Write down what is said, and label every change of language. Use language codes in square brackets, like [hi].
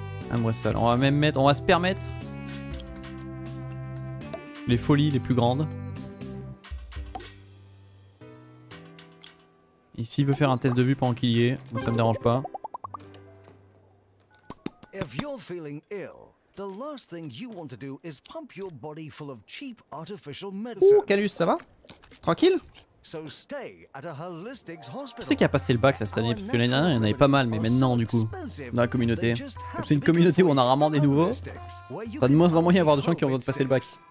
[fr] On va se permettre les folies les plus grandes. Et s'il veut faire un test de vue pendant qu'il y est, moi ça me dérange pas. [en] If you're feeling ill, the last thing you want to do is pump your body full of cheap artificial medicine. [fr] Ouh, Calus, ça va? Tranquille? C'est qui a passé le bac là cette année? Parce que l'année dernière il y en avait pas mal, mais maintenant du coup, dans la communauté. Comme c'est une communauté où on a rarement des nouveaux, t'as de moins en moins y avoir de gens qui ont besoin de passer le bac.